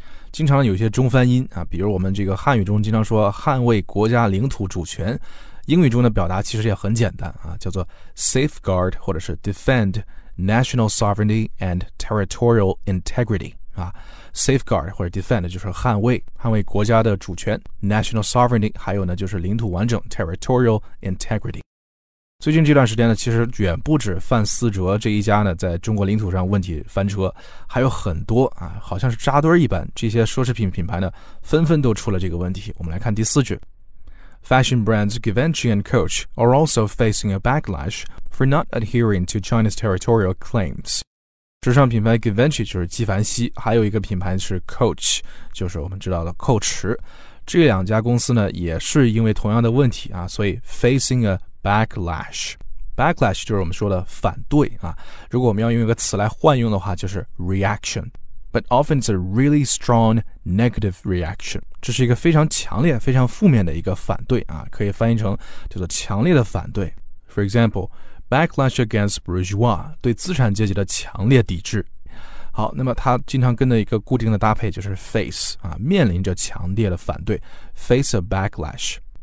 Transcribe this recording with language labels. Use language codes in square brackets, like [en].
[zh] 经常有些中翻音啊，比如我们这个汉语中经常说捍卫国家领土主权，英语中的表达其实也很简单啊，叫做 safeguard 或者是 [en] defend national sovereignty and territorial integrity [zh] 啊， safeguard 或者 defend 就是捍卫国家的主权， [en] national sovereignty [zh] 还有呢就是领土完整 [en] territorial integrity。 [zh] 最近这段时间呢其实远不止范思哲这一家呢在中国领土上问题翻车，还有很多啊，好像是扎堆一般，这些奢侈品品牌呢纷纷都出了这个问题。我们来看第四句， [en] Fashion brands Givenchy and Coach are also facing a backlash for not adhering to China's territorial claims. [zh] 时尚品牌 Givenchy 就是纪梵希，还有一个品牌是 Coach， 就是我们知道的蔻驰。这两家公司呢，也是因为同样的问题啊，所以 [en] facing a backlash。 [zh] backlash 就是我们说的反对啊。如果我们要用一个词来换用的话，就是 reaction。 [en] But often it's a really strong negative reaction. [zh] 这是一个非常强烈非常负面的一个反对啊，可以翻译成叫做强烈的反对。 [en] For example, backlash against bourgeois, [zh] 对资产阶级的强烈抵制。好，那么它经常跟的一个固定的搭配就是 face, 啊，面临着强烈的反对， [en] face a backlash。